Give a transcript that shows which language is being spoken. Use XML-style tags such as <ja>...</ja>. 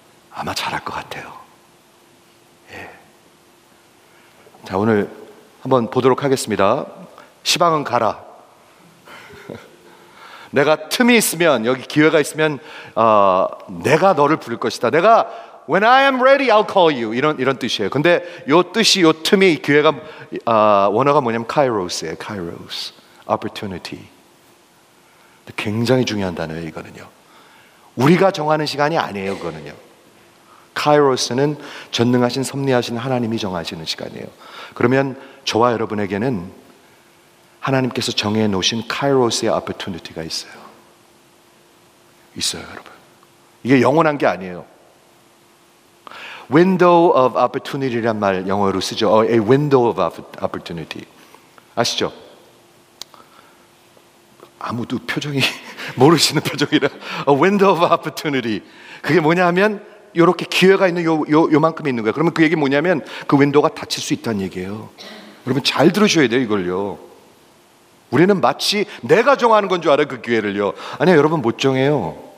<ko>아마 잘할 것 같아요. 예. 자, 오늘 한번 보도록 하겠습니다. 시방은 가라. 내가 틈이 있으면, 여기 기회가 있으면 내가 너를 부를 것이다. 내가</ko> <en>When I am ready, I'll call you.</en> <ko>이런 뜻이에요. 근데 요 뜻이, 요 틈이, 기회가, 원어가 뭐냐면 kairos예요.</ko> <en>kairos. opportunity.</en> <ko>굉장히 중요한 단어예요, 이거는요. 우리가 정하는 시간이 아니에요, 그거는요. kairos는 전능하신, 섭리하신 하나님이 정하시는 시간이에요. 그러면 저와 여러분에게는 하나님께서 정해놓으신 kairos의 opportunity가 있어요. 있어요, 여러분. 이게 영원한 게 아니에요.</ko> <en>Window of opportunity</en> <ko>란 말 영어로 쓰죠.</ko> <en>A window of opportunity.</en> <ko>아시죠? 아무도 표정이 모르시는 표정이라</ko> <en>A window of opportunity.</en> <ko>그게 뭐냐면 이렇게 기회가 있는 요만큼 있는 거예요. 그러면 그 얘기 뭐냐면 그 윈도우가 닫힐 수 있다는 얘기예요. 여러분 잘 들으셔야 돼요 이걸요. 우리는 마치 내가 정하는 건 줄 알아요 그 기회를요. 아니요, 여러분 못 정해요.</ko>